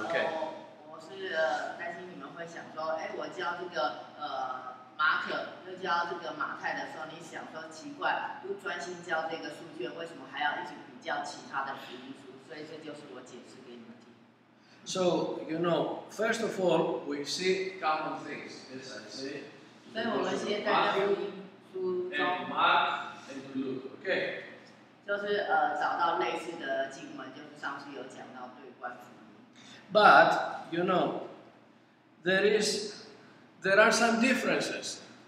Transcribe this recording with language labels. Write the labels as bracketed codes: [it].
[en] Okay. [zh] 我是担心你们会想说，哎，我教这个马可，又教这个马太的时候，你想说奇怪，不专心教这个书卷，为什么还要一直比较其他的福音书？所以这就是我解释给你们听。 [en] So you know, first of all, we see common things, as I say. [zh] 所以我们先在福音书中。 [en] And Mark and Luke, okay. [zh] 就是找到类似的经文，就是上次有讲到对关福音。 [en] But you know, there are some differences.